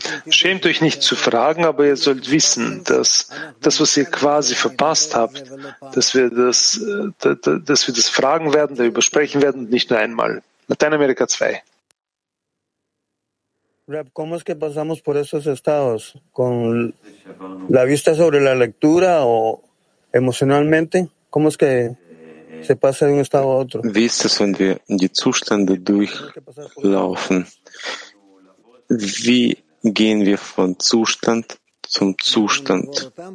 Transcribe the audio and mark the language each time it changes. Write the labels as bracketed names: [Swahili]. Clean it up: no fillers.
[German] Schämt euch nicht zu fragen, aber ihr sollt wissen, dass das, was ihr quasi verpasst habt, dass wir das fragen werden, darüber sprechen werden, nicht nur einmal. Lateinamerika 2. [Spanish] Rab, ¿cómo es que pasamos por esos estados? ¿Con la vista sobre la lectura o emocionalmente? ¿Cómo es que se pasa de un estado a otro? [German] Wie ist es, wenn wir in die Zustände durchlaufen? Wie gehen wir von Zustand zum Zustand?